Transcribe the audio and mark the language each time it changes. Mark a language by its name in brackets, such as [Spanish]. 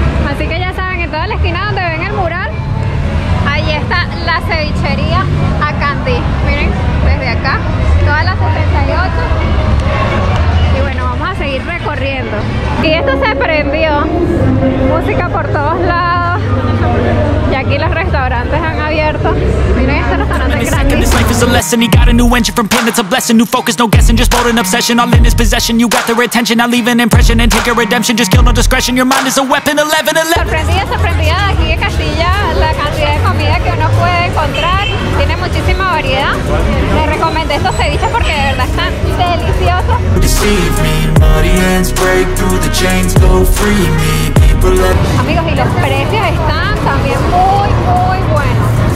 [Spanish] Así que ya saben, en toda la esquina donde ven el mural, ahí está la cevichería Acandí. Miren, desde acá, toda la 78. Y bueno, vamos a seguir recorriendo. Y esto se prendió. Música por todos lados. Y aquí los restaurantes han abierto. Miren este restaurante grande. [English] A lesson, he got a new engine from plan, it's a blessing. New focus, no guessing, just bold and obsession. All in his possession, you got the retention. I'll leave an impression and take a redemption. Just kill no discretion, your mind is a weapon. 11-11. [Spanish] Sorprendida, sorprendida de aquí en Castilla. La cantidad de comida que uno puede encontrar. Tiene muchísima variedad. Les recomiendo estos ceviches porque de verdad están deliciosos. [English] Deceive me, muddy hands, break through the chains, go free me. People let me... [Spanish] Amigos, y los precios están también muy, muy buenos.